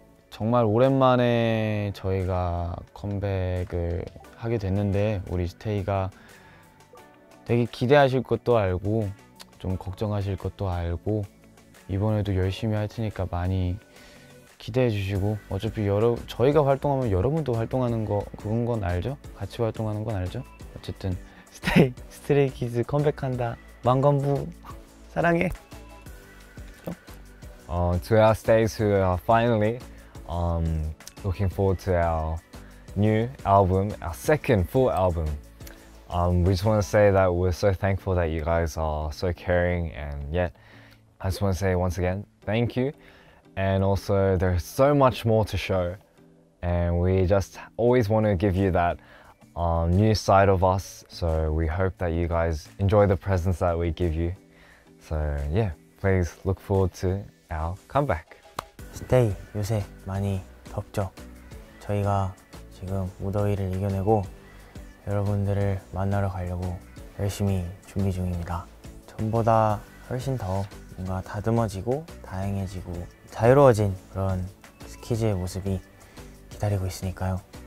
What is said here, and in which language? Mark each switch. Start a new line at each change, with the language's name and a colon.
Korean: 정말 오랜만에 저희가 컴백을 하게 됐는데 우리 스테이가 되게 기대하실 것도 알고 좀 걱정하실 것도 알고 이번에도 열심히 할 테니까 많이 기대해 주시고 어차피 저희가 활동하면 여러분도 활동하는 거 그런 건 알죠? 같이 활동하는 건 알죠? 어쨌든 스트레이키즈 컴백한다 만관부 사랑해. 그렇죠?
English: To our stays who are finally looking forward to our new album, our second full album. We just want to say that we're so thankful that you guys are so caring and yet I just want to say once again thank you. And also, there's so much more to show. And we just always want to give you that new side of us. So we hope that you guys enjoy the presents that we give you. So yeah, please look forward to our comeback.
Korean: Stay, 요새 많이 덥죠. 저희가 지금 무더위를 이겨내고 여러분들을 만나러 가려고 열심히 준비 중입니다. 전보다 훨씬 더 뭔가 다듬어지고 다양해지고 자유로워진 그런 스키즈의 모습이 기다리고 있으니까요.